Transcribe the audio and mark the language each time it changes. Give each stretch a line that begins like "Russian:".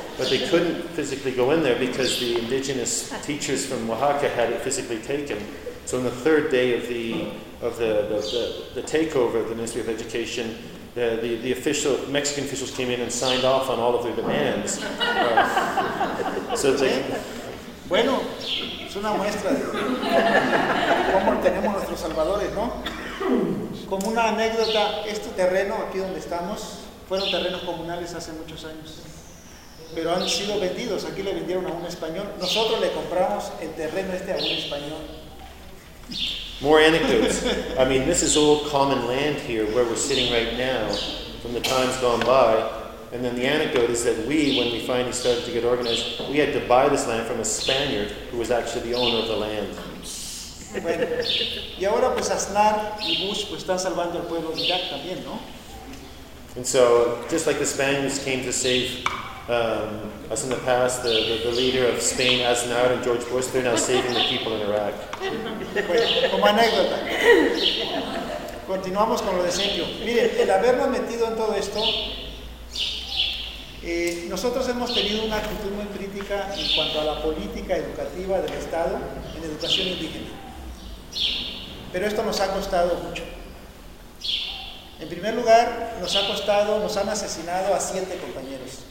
English: But they couldn't physically go in there because the indigenous teachers from Oaxaca had it physically taken. So on the third day of the takeover of the Ministry of Education, the official Mexican officials came in and signed off on all of their demands. So they...
Spanish: Bueno, es una muestra de cómo tenemos nuestros salvadores, ¿no? Como una anécdota, este terreno aquí donde estamos fueron terrenos comunales hace muchos años, pero han sido vendidos. Aquí le vendieron a un español. Nosotros le compramos el terreno este a un español.
English: More anecdotes. I mean, this is old common land here where we're sitting right now from the times gone by. And then the anecdote is that we, when we finally started to get organized, we had to buy this land from a Spaniard who was actually the owner of the land.
Spanish: Bueno, y ahora pues Aznar y Bush pues están salvando al pueblo de Irak también, ¿no?
English: And so, just like the Spaniards came to save As in the past, the leader of Spain, Aznar, and George Bush, they're now saving the people in Iraq.
Spanish: Como anécdota. Continuamos con lo de Sergio. Miren, el habernos metido en todo esto, nosotros hemos tenido una actitud muy crítica en cuanto a la política educativa del Estado en educación indígena. Pero esto nos ha costado mucho. En primer lugar, nos ha costado, nos han asesinado a 7 compañeros.